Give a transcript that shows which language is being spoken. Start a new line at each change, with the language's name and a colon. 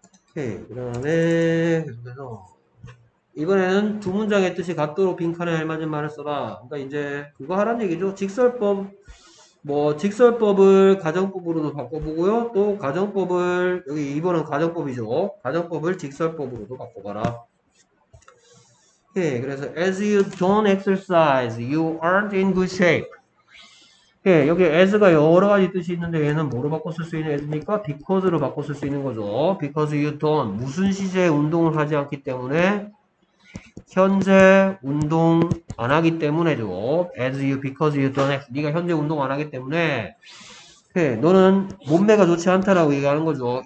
Korean: 오케이. 그다음에 계속해서. 이번에는 두 문장의 뜻이 같도록 빈칸에 알맞은 말을 써라. 그러니까 이제 그거 하란 얘기죠. 직설법, 뭐 직설법을 가정법으로도 바꿔보고요. 또 가정법을 여기 이번은 가정법이죠. 가정법을 직설법으로도 바꿔봐라.
English: 예, 그래서 as you don't exercise, you aren't in good shape.
Korean: 예, 여기 as가 여러 가지 뜻이 있는데 얘는 뭐로 바꿔 쓸수 있는 as입니까? because로 바꿔 쓸수 있는 거죠.
English: because you don't
Korean: 무슨 시제에 운동을 하지 않기 때문에 현재 운동 안 하기 때문에죠.
English: As you, because you don't,
Korean: 네가 현재 운동 안 하기 때문에, 네, 너는 몸매가 좋지 않다라고 얘기하는 거죠.